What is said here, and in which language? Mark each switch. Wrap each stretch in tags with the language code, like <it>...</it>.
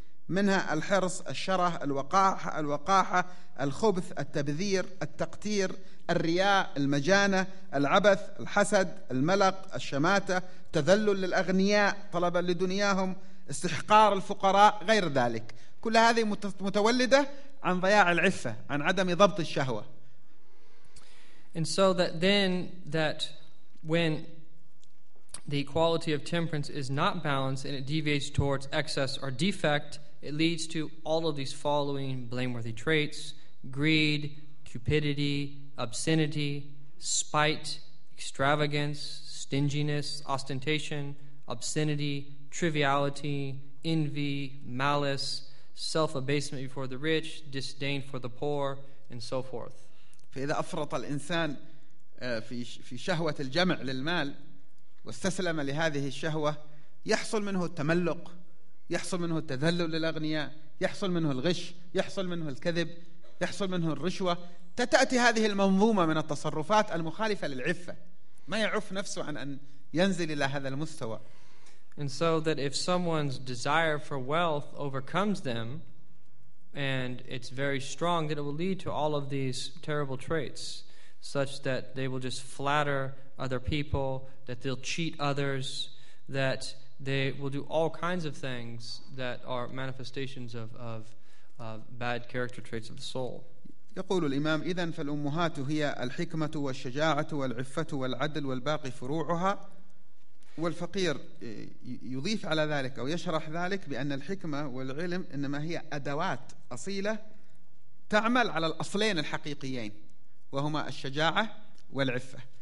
<ar>منها الحرص الشره الوقاحة الوقاحة الخبث التبذير التقتير الرياء المجانة العبث الحسد الملق الشماتة تذلل للأغنياء طلبا لدنياهم استحقار الفقراء غير ذلك. كل هذه متولدة عن ضياع العفة عن عدم ضبط الشهوة.</ar> <en>And so that then that when the quality of temperance is not balanced and it deviates towards excess or defect, it leads to all of these following blameworthy traits: greed, cupidity, obscenity, spite, extravagance, stinginess, ostentation, obscenity, triviality, envy, malice, self-abasement before the rich, disdain for the poor, and so forth.</en> <ar>فإذا أفرط الإنسان في شهوة الجمع للمال واستسلم لهذه الشهوة يحصل منه التملق يحصل منه التذلل للأغنياء يحصل منه الغش يحصل منه الكذب يحصل منه الرشوة تتأتي هذه المنظومة من التصرفات المخالفة للعفة ما يعف نفسه عن أن ينزل إلى هذا المستوى.</ar> <en>And so that if someone's desire for wealth overcomes them and it's very strong, that it will lead to all of these terrible traits, such that they will just flatter other people, that they'll cheat others, that they will do all kinds of things that are manifestations of bad character traits of the soul.</en> <ar>يقول الإمام إذن فالأمهات هي الحكمة والشجاعة والعفة والعدل والباقي فروعها. والفقير يضيف على ذلك أو يشرح ذلك بأن الحكمة والعلم إنما هي أدوات أصيلة تعمل على الأصلين الحقيقيين وهما الشجاعة والعفة.</ar>